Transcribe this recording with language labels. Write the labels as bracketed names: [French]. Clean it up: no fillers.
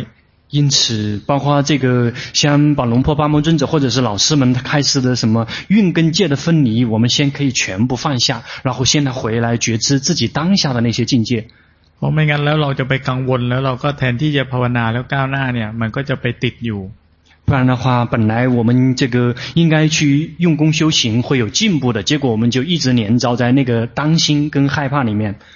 [Chinese] 因此包括这个像宝龙婆八摩尊者或者是老师们开示的什么运跟界的分离我们先可以全部放下然后现在回来觉知自己当下的那些境界 [Thai] เพราะไม่งั้นแล้วเราจะไปกังวลแล้วเราก็แทนที่จะภาวนาแล้วก้าวหน้าเนี่ยมันก็จะไปติดอยู่ [Chinese] 不然的话本来我们这个应该去用功修行会有进步的结果我们就一直连招在那个担心跟害怕里面